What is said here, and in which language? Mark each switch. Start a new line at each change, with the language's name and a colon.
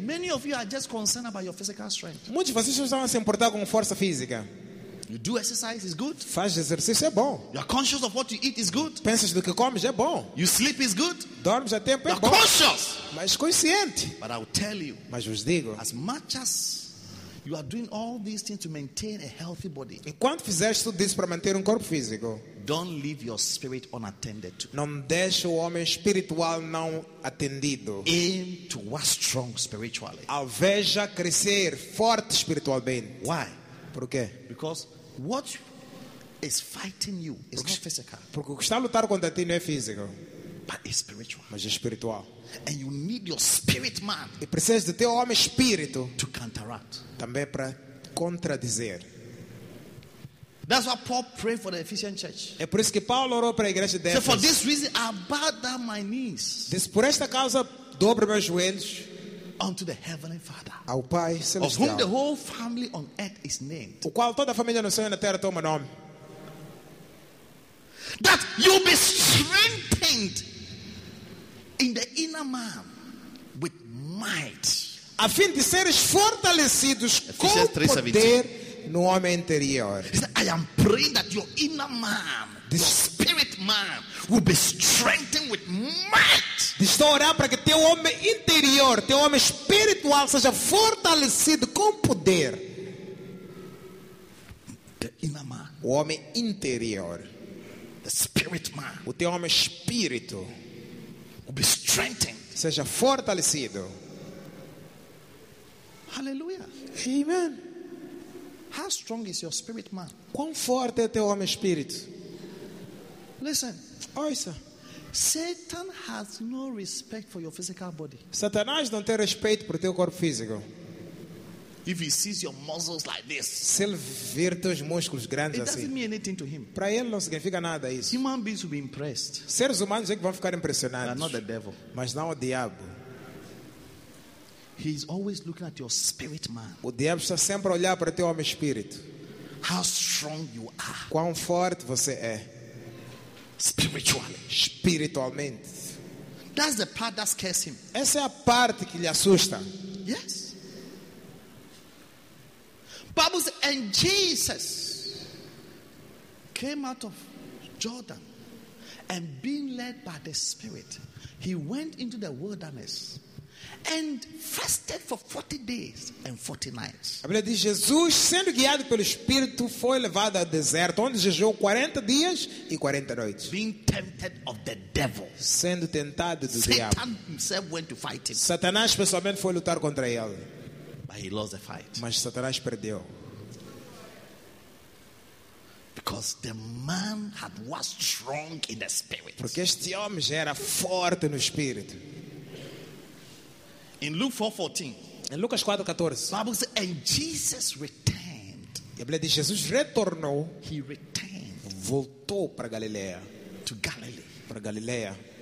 English: Many of you are just concerned about your physical strength.
Portuguese: Muitos de vocês estão a se importar com força física.
English: You do exercise, it's good.
Portuguese: Faz exercício, é bom.
English: You are conscious of what you eat, it's good.
Portuguese: Pensas do que comes, é bom.
English: You sleep, it's good.
Portuguese: Dormes a tempo, é
English: you're
Portuguese: bom.
English: Conscious.
Portuguese: Mas consciente.
English: But I'll tell you,
Portuguese: mas vos digo,
English: as much as you are doing all these things to maintain a healthy body.
Portuguese: Enquanto fizeste tudo isso para manter corpo físico.
English: Don't leave your spirit unattended.
Portuguese: Não deixe o homem espiritual não atendido.
English: Aim to work strong spiritually.
Portuguese: Alveja crescer forte espiritualmente.
English: Why?
Portuguese: Por quê?
English: Because what is fighting you is not physical.
Portuguese: Porque o que está a lutar contra ti não é físico.
English: But it's spiritual.
Portuguese: Mas é espiritual.
English: And you need your spirit man.
Portuguese: E precisas do teu homem espírito.
English: To counteract.
Portuguese: Também para contradizer.
English: That's why Paul prayed for the Ephesian church.
Portuguese: É por isso que Paulo orou para a igreja de Éfeso.
English: So for this reason I bow down my knees.
Portuguese: Diz, por esta causa dobro meus joelhos.
English: Unto the heavenly Father.
Portuguese: Ao Pai Celestial.
English: Of whom the whole family on earth is named.
Portuguese: O qual toda a família no céu e na terra toma nome.
English: That you be strengthened in the inner man with might.
Portuguese: A fim de seres fortalecidos com poder no homem interior.
English: I am praying that your inner man, the spirit man, will be strengthened with might.
Portuguese: Estou a orar para que teu homem interior, teu homem espiritual, seja fortalecido com poder.
English: The inner man,
Portuguese: o homem interior.
English: The spirit man,
Portuguese: o teu homem espírito,
English: will be strengthened.
Portuguese: Seja fortalecido.
English: Hallelujah.
Portuguese: Amen.
English: How strong is your spirit, man?
Portuguese: Quão forte é teu homem espírito?
English: Listen.
Portuguese: Ouça.
English: Satan has no respect for your physical body.
Portuguese: Satanás não tem respeito por teu corpo físico.
English: If he sees your muscles like this,
Portuguese: se ele ver teus músculos grandes assim,
English: it doesn't mean anything to him.
Portuguese: Para ele não significa nada isso.
English: Human beings will be impressed.
Portuguese: Seres humanos é que vão ficar impressionados.
English: Not the devil.
Portuguese: Mas não o diabo.
English: He is always looking at your spirit, man.
Portuguese: O diabo está sempre a olhar para teu homem espírito.
English: How strong you are.
Portuguese: Quão forte você é.
English: Spiritually.
Portuguese: Espiritualmente.
English: That's the part that scares him.
Portuguese: Essa é a parte que lhe assusta.
English: Yes. Bible says, and Jesus came out of Jordan and being led by the Spirit, he went into the wilderness and fasted for 40 days and 40 nights.
Portuguese: A Bíblia diz, Jesus, sendo guiado pelo Espírito, foi levado ao deserto, onde jejuou 40 dias e 40 noites.
English: Being tempted of the devil.
Portuguese: Sendo tentado do
English: Satan
Portuguese: diabo.
English: Satan himself went to fight him.
Portuguese: Satanás pessoalmente foi lutar contra ele.
English: But he lost the fight.
Portuguese: Mas Satanás perdeu.
English: Because the man had was strong in the spirit.
Portuguese: Porque este homem já era forte no espírito.
English: In Luke 4:14.
Portuguese: Em Lucas 4:14.
English: Bible says, and Jesus returned.
Portuguese: E a Bíblia diz, Jesus retornou.
English: He returned.
Portuguese: Voltou para Galileia.
English: To Galilee.
Portuguese: Para Galileia.